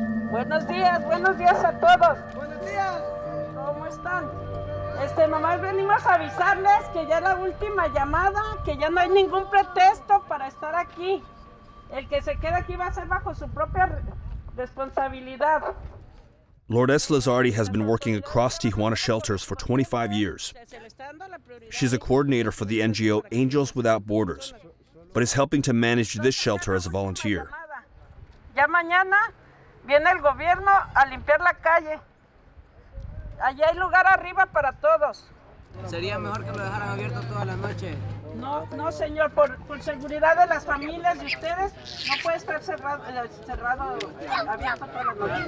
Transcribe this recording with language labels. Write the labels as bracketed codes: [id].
[es] Buenos días a todos. Buenos días. ¿Cómo están? Nomás venimos a avisarles que ya es la última llamada, que ya no hay ningún pretexto para estar aquí. El que se quede aquí va a ser bajo su propia responsabilidad. [en] Lourdes Lizardi has been working across Tijuana shelters for 25 years. She's a coordinator for the NGO Angels Without Borders, but is helping to manage this shelter as a volunteer. [es] Ya mañana viene el gobierno a limpiar la calle. Allá hay lugar arriba para todos. ¿Sería mejor que lo dejaran abierto toda la noche? No, no, señor, por seguridad de las familias y ustedes, no puede estar cerrado abierto toda la noche.